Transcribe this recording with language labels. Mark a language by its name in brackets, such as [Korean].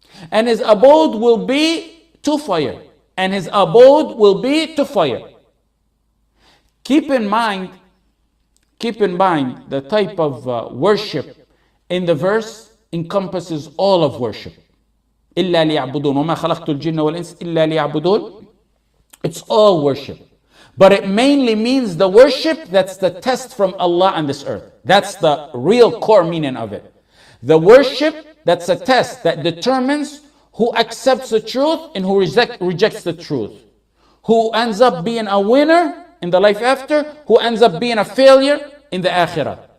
[English] And his abode will be to fire. And his abode will be to fire. Keep in mind, the type of worship in the verse encompasses all of worship. [Arabic] إلا ليعبدون وما خلقت الجن والإنس إلا ليعبدون. [English] It's all worship. But it mainly means the worship that's the test from Allah on this earth. That's the real core meaning of it. The worship that's a test that determines who accepts the truth and who rejects the truth. Who ends up being a winner in the life after, who ends up being a failure in the akhirah.